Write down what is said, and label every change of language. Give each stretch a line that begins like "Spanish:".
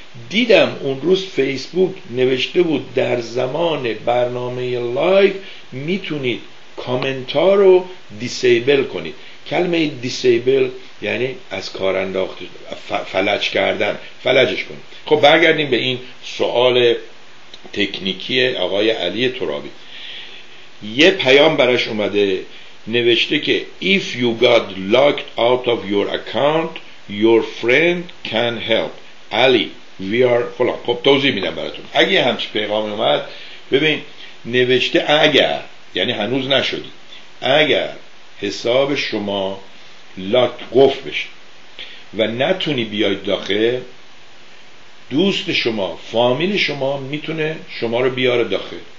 Persian: دیدم اون روز فیسبوک نوشته بود در زمان برنامه لایو میتونید کامنت ها رو دیسیبل کنید. کلمه دیسیبل یعنی از کار انداخته، فلج کردن، فلجش کنید. خب برگردیم به این سوال تکنیکی آقای علی ترابی. یه پیام براش اومده، نوشته که
English: If you got locked out of your account, your friend can help.
Persian: علی
English: we are
Persian: فلان. خب توضیح میدم براتون. اگه همچی پیغام اومد، ببین نوشته اگر، یعنی هنوز نشدی، اگر حساب شما لاک قفل بشه و نتونی بیای داخل، دوست شما، فامیل شما میتونه شما رو بیاره داخل.